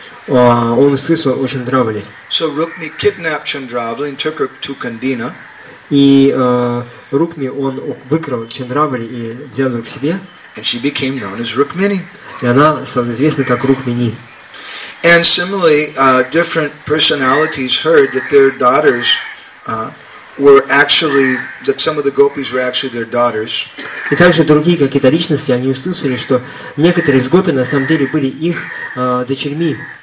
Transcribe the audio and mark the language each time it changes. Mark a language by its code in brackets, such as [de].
[ru] Он услышал о Чандравали. [en] So Rukmi kidnapped Chandravali and took her to Kandina. [ru] И Rukmi он выкрал Чандравали и взял ее к себе. [en] And she became known as Rukmini. [ru] И она стала известна как Rukmini. [en] And similarly, different personalities heard that their daughters were actually that some of the gopis were actually their daughters. [ru] И также другие какие-то личности, они услышали, что некоторые из гопи на самом деле были их дочерьми.